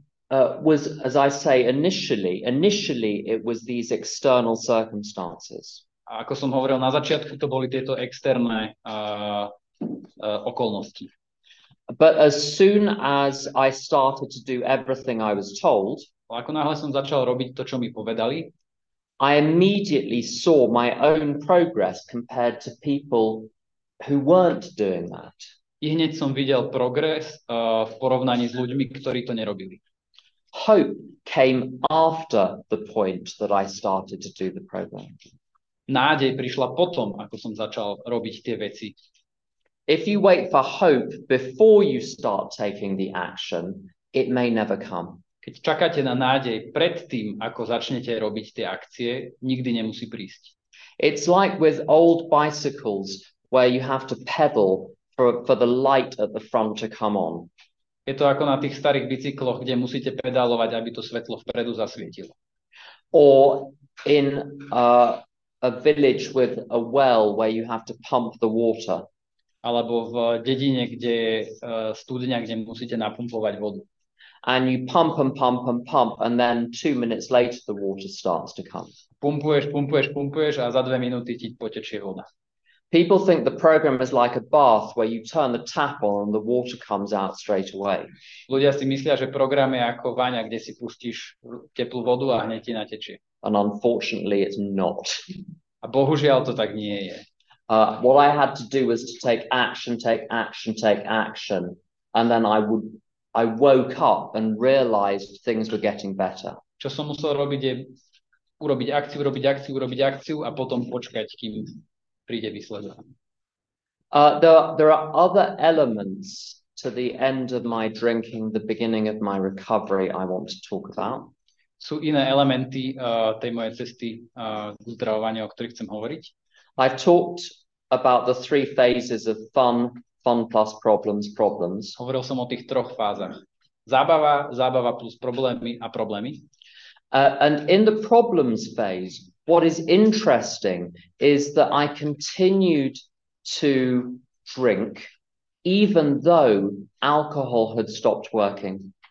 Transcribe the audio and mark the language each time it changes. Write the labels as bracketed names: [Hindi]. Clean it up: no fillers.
[English] Was, as I say, initially it was these external circumstances. [Slovak] A ako som hovoril na začiatku, to boli tieto externé okolnosti. [English] But as soon as I started to do everything I was told, [Slovak] ako náhle som začal robiť to, čo mi povedali, [English] I immediately saw my own progress compared to people who weren't doing that. [Slovak] I hneď som videl progres v porovnaní s ľuďmi, ktorí to nerobili. [English] Hope came after the point that I started to do the program. [Slovak] Nádej prišla potom, ako som začal robiť tie veci. [English] If you wait for hope before you start taking the action, it may never come. [Slovak] Keď čakáte na nádej pred tým, ako začnete robiť tie akcie, nikdy nemusí prísť. [English] It's like with old bicycles where you have to pedal for the light at the front to come on. [Slovak] Je to ako na tých starých bicykloch, kde musíte pedálovať, aby to svetlo vpredu zasvietilo. [English] Or in a village with a well where you have to pump the water. [Slovak] Alebo v dedine, kde je studňa, kde musíte napumpovať vodu. [English] And you pump and pump and pump, and then 2 minutes later the water starts to come. [Slovak] Pumpuješ, pumpuješ, pumpuješ a za 2 minúty ti potečie voda. [English] People think the program is like a bath where you turn the tap on and the water comes out straight away. [Slovak] Ľudia si myslia, že program je ako vaňa, kde si pustíš teplú vodu a hneď ti natečie. [English] And unfortunately it's not. [Slovak] A bohužiaľ to tak nie je. [English] What I had to do was to take action, take action, take action, and then I woke up and realized things were getting better. [Slovak] Čo som musel robiť je urobiť akciu, urobiť akciu, urobiť akciu a potom počkať, kým príde výsledok. [English] There are other elements to the end of my drinking, the beginning of my recovery I want to talk about. [Slovak] Sú iné elementy tej mojej cesty k uzdravovaniu, o ktorých chcem hovoriť. [English] I've talked about the three phases of fun plus problems. [Slovak] Hovoril som o tých troch fázach. Zábava, zábava plus problémy a problémy. [English] And in the problems phase, what is interesting is that I continued to drink even though alcohol had stopped working.